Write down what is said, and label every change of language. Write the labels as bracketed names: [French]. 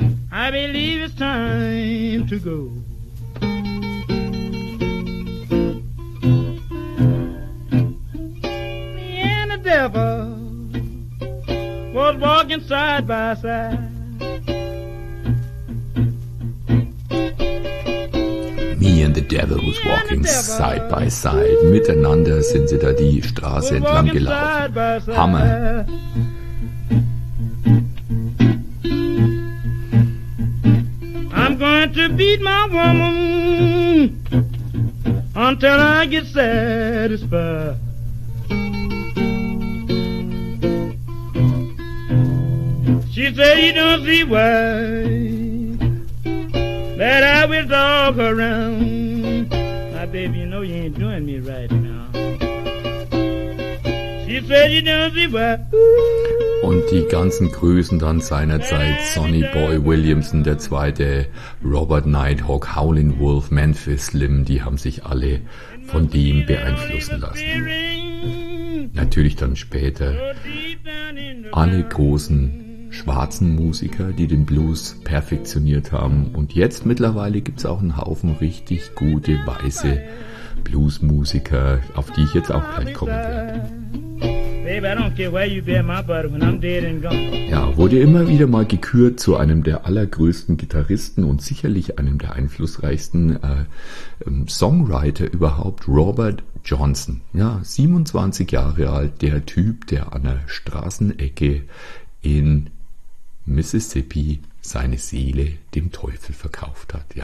[English] I believe it's time to go. Me and the devil was walking side by side. Me and the devil was walking side by side. [German] Miteinander sind sie da die Straße entlang gelaufen. Hammer. [English] Beat my woman until I get satisfied. She said, you don't see why that I will dog her around. My baby, you know you ain't doing me right now. She said, you don't see why. [German] Und die ganzen Größen dann seinerzeit, Sonny Boy Williamson, der Zweite, Robert Nighthawk, Howlin' Wolf, Memphis Slim, die haben sich alle von dem beeinflussen lassen. Natürlich dann später alle großen schwarzen Musiker, die den Blues perfektioniert haben. Und jetzt mittlerweile gibt's auch einen Haufen richtig gute weiße Bluesmusiker, auf die ich jetzt auch gleich kommen werde. [English] Baby, I don't care where you bury my body when I'm dead and gone. [German] Ja, wurde immer wieder mal gekürt zu einem der allergrößten Gitarristen und sicherlich einem der einflussreichsten Songwriter überhaupt, Robert Johnson. Ja, 27 Jahre alt, der Typ, der an der Straßenecke in Mississippi seine Seele dem Teufel verkauft hat.